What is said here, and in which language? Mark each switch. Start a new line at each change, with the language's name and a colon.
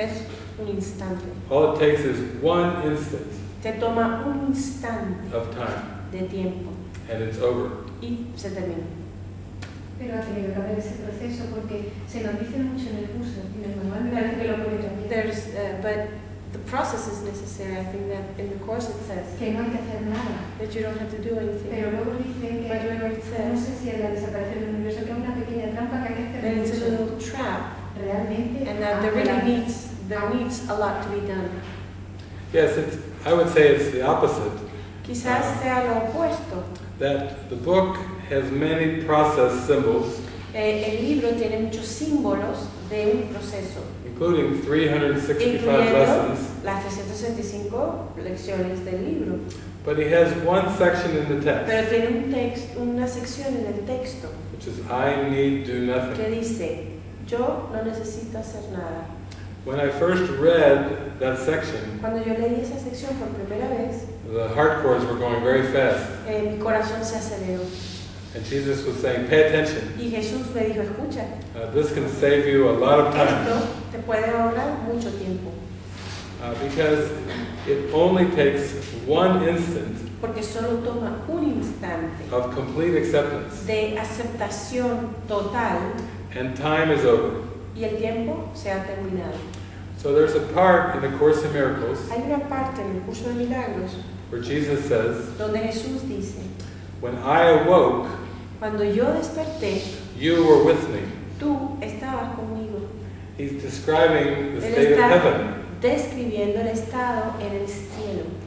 Spanish: Es un instante.
English: All it takes is one instant
Spanish: Te toma un instante
English: of time.
Spanish: De tiempo.
English: And it's over.
Spanish: Y se termina. Pero ha tenido que haber ese proceso porque se nos dice mucho en el curso, en el manual me parece que lo pone también.
English: There's, but the process is necessary, I think that in the course it says.
Spanish: Que no hay que hacer nada.
English: That you don't have to do anything.
Spanish: Pero luego dicen que,
English: but whenever it says,
Spanish: no sé si es la desaparición del universo, que es una pequeña trampa que hay que hacer.
English: That it's a little trap.
Spanish: Realmente.
English: And that there really needs a lot to be done. Yes, it's, I would say it's the opposite.
Spanish: Quizás sea lo opuesto.
English: That the book has many process symbols.
Spanish: El libro tiene muchos símbolos de un proceso.
English: Including 365 lessons.
Spanish: Las 365 lecciones del libro.
English: But he has one section in the text.
Spanish: Pero tiene un texto, una sección en el texto.
English: Which is, I need do nothing.
Spanish: Que dice, yo no necesito hacer nada.
English: When I first read that section,
Spanish: Cuando yo leí esa sección por primera vez,
English: the heart cords were going very fast.
Spanish: Mi corazón se aceleró.
English: And Jesus was saying, pay attention.
Spanish: Y Jesús me dijo, escucha.
English: This can save you a lot of time.
Spanish: Esto te puede ahorrar mucho tiempo.
English: Because it only takes one instant
Spanish: Porque solo toma un instante
English: of complete acceptance.
Spanish: De aceptación total.
English: And time is over.
Spanish: Y el tiempo se ha terminado.
English: So there's a part in the Course in Miracles
Spanish: Hay una parte en el curso de milagros
English: where Jesus says,
Spanish: donde Jesús dice,
English: When I awoke,
Spanish: Cuando yo desperté,
English: you were with me.
Spanish: Tú estabas conmigo.
English: He's describing the state of heaven.
Spanish: Describiendo el estado en el cielo.